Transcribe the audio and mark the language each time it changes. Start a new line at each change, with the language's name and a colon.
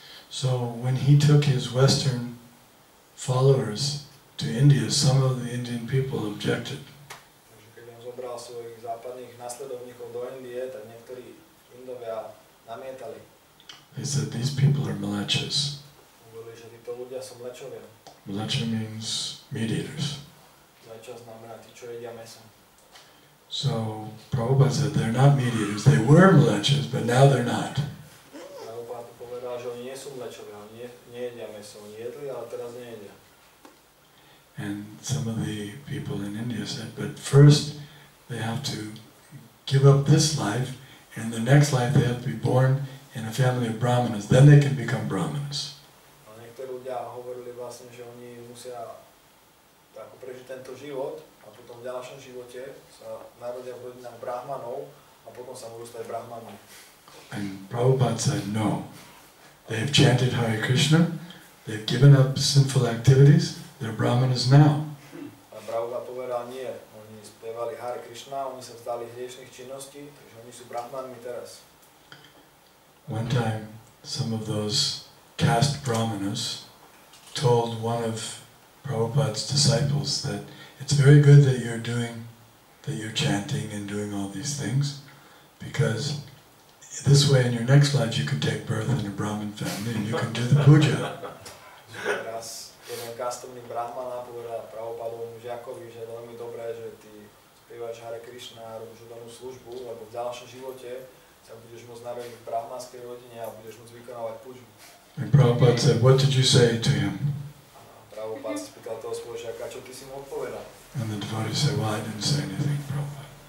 English: So when he took his Western followers to India, some of the Indian people objected.
Slovak: Keď on zobral svojich západných nasledovníkov do Indie, tak niektorí Indovia namietali.
English: They said, these people are mlečas.
Slovak: Hovorili, že títo ľudia sú mlečovia.
English: Mleča means meat eaters.
Slovak: Mleča znamená tí, čo jedia meso.
English: So Prabhupada said, they're not meat eaters. They were mlečas, but now they're not.
Slovak: Prabhupada povedal, že oni nie sú mlečovia. Oni nejedia meso. Oni jedli, ale teraz nejedia.
English: And some of the people in India said, but first they have to give up this life, and the next life they have to be born in a family of brahmanas, then they can become brahmanas.
Slovak: A niektorí ľudia hovorili vlastne, že oni musia tak prežiť tento život a potom v ďalšom živote sa narodia v rodinách brahmanov a potom sa budú stať brahmanmi.
English: And Prabhupada said, no. They have chanted Hare Krishna, they have given up sinful activities, they're brahmanas now.
Slovak: A Prabhupada povedal, nie. Oni spievali Hare Krishna, oni sa vzdali hriešnych činností, takže oni sú brahmanmi teraz.
English: One time, some of those caste brahmanas told one of Prabhupada's disciples that it's very good that you're doing, that you're chanting and doing all these things, because this way in your next life you can take birth in a brahman family and you can do the puja.
Slovak: Jeden kastovný brahmana povedal Prabhupadovmu žiakovi, že je veľmi dobré, že ty spievaš Hare Krishna a robíš udanú službu, lebo v ďalšom živote sa budeš môcť narodiť v brahmanskej rodine a budeš môcť vykonávať pujbu.
English: A Prabhupada said, what did you say to him?
Slovak: A Prabhupada si pýtal toho spoločiaka, čo ty si mu odpovedal?
English: And the devotee said, well, I didn't say anything, Prabhupada.